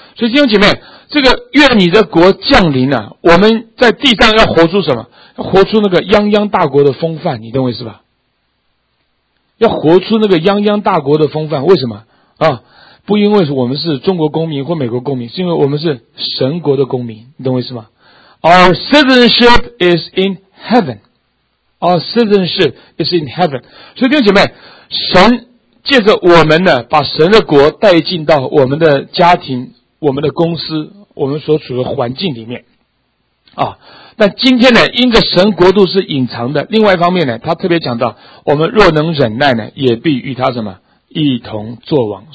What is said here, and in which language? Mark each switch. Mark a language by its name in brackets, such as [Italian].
[Chinese] 所以弟兄姐妹，这个愿你的国降临啊，我们在地上要活出什么？要活出那个泱泱大国的风范，你懂我意思吧？要活出那个泱泱大国的风范。为什么啊？不因为我们是中国公民或美国公民，是因为我们是神国的公民，你懂我意思吗？ [English] Our citizenship is in heaven. Our citizenship is in heaven. [Chinese] 所以弟兄姐妹，神借着我们呢，把神的国带进到我们的家庭、我们的公司、我们所处的环境里面啊。但今天呢，因着神国度是隐藏的，另外一方面呢，他特别讲到我们若能忍耐呢，也必与他什么一同作王。